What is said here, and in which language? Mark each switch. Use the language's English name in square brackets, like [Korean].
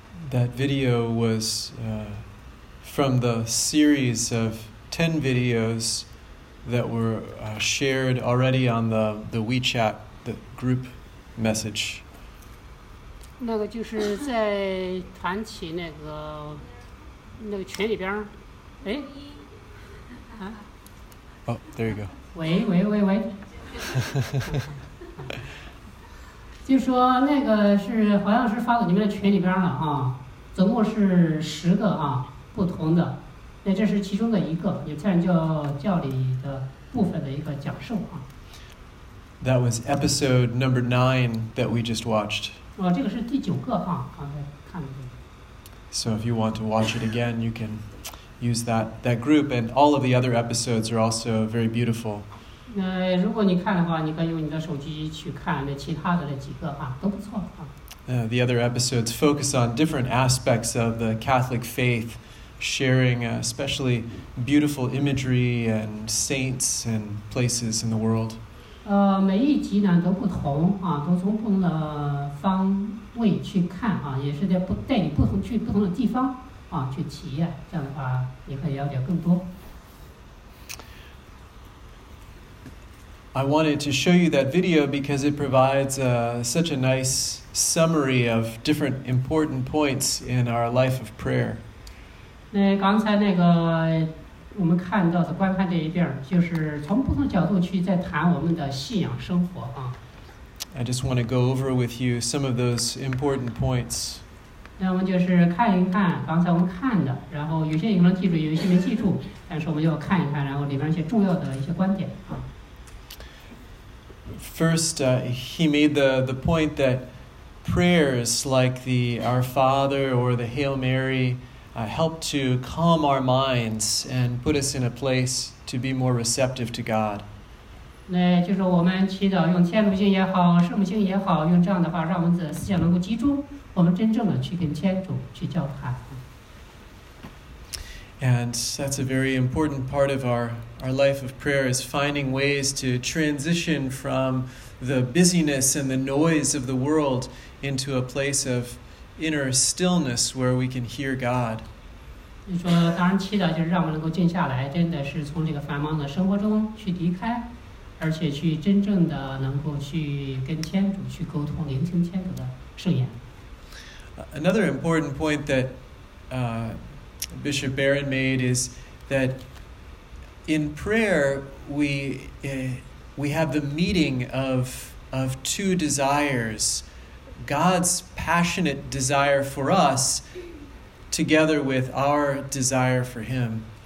[English] that video was from the series of 10 videos that were shared already on the WeChat, the group message. [Chinese] 那个就是在谈起那个群里边，哎， [English] 啊，哦、oh, ，there you go [Chinese] 喂，就说那个是好像是发到你们的群里边了啊，总共是十个啊，不同的，那这是其中的一个，有天主教里的部分的一个讲授啊。 [English] That was episode number 9 that we just watched. [Chinese] 哦，这个是第九个啊，刚才看的。 [English] So if you want to watch it again, you can use that group, and all of the other episodes are also very beautiful. [Chinese] 那如果你看的话，你可以用你的手机去看那其他的那几个啊，都不错啊。 [English] The other episodes focus on different aspects of the Catholic faith, sharing especially beautiful imagery and saints and places in the world. [Chinese] 每一集呢都不同啊，都从不同的方位去看啊，也是在不带你不同去不同的地方啊去体验，这样的话你可以了解更多。 [English] I wanted to show you that video because it provides such a nice summary of different important points in our life of prayer. [Chinese] 那刚才那个我们看到的观看这一遍，就是从不同角度去在谈我们的信仰生活啊。 [English] I just want to go over with you some of those important points. [Chinese] 那我们就是看一看刚才我们看的，然后有些你能记住，有些没记住，但是我们要看一看，然后里边一些重要的一些观点啊。 [English] First, he made the point that prayers like the Our Father or the Hail Mary help to calm our minds and put us in a place to be more receptive to God. [Chinese] 那就是我们祈祷用天主经也好，圣母经也好，用这样的话让我们的思想能够集中，我们真正的去跟天主去交谈。 [English] And that's a very important part of our life of prayer is finding ways to transition from the busyness and the noise of the world into a place of inner stillness where we can hear God. [Chinese] 你说当然祈祷就是让我们能够静下来，真的是从这个繁忙的生活中去离开，而且去真正的能够去跟天主去沟通，聆听天主的圣言。 [English] Another important point that Bishop Barron made is that in prayer we have the meeting of two desires, God's passionate desire for us together with our desire for him.